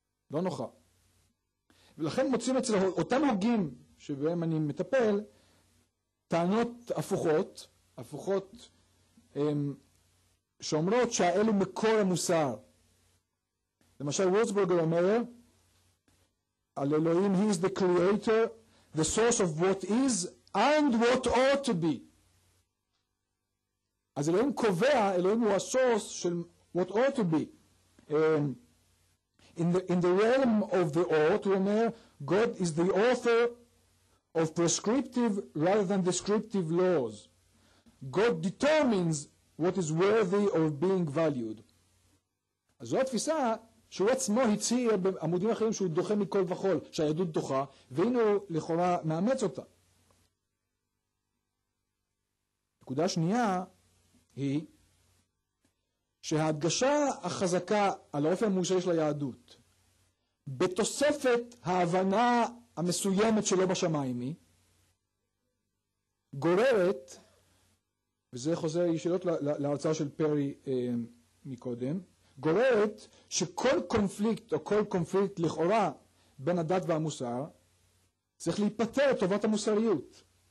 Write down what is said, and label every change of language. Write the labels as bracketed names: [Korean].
[Hebrew] לא נוחה. ולכן מוצאים אצל אותם הוגים שבהם אני מטפל, טענות הפוכות, הפוכות שאומרות שהאל הוא מקור המוסר. למשל, וורצבורגר אומר, על אלוהים, [English] he is the creator, the source of what is, and what ought to be. [Hebrew] אז אלוהים קובע, אלוהים הוא הסורס של [English] what ought to be. In the realm of the ought, [Hebrew] הוא אומר, [English] God is the author of prescriptive rather than descriptive laws. God determines what is worthy of being valued. [Hebrew] אז זו התפיסה שהוא עצמו הצהיר בעמודים אחרים שהוא דוחה מכל וכל, שהיהדות דוחה, והנה הוא לכאורה מאמץ אותה. נקודה שנייה היא שההדגשה החזקה על האופי המושרי של היהדות בתוספת ההבנה המסוימת שלא בשמיים גוררת, וזה חוזר ישירות להרצאה של פרי מקודם, גוררת שכל קונפליקט או כל קונפליקט לכאורה בין הדת והמוסר צריך להיפטר לטובת המוסריות.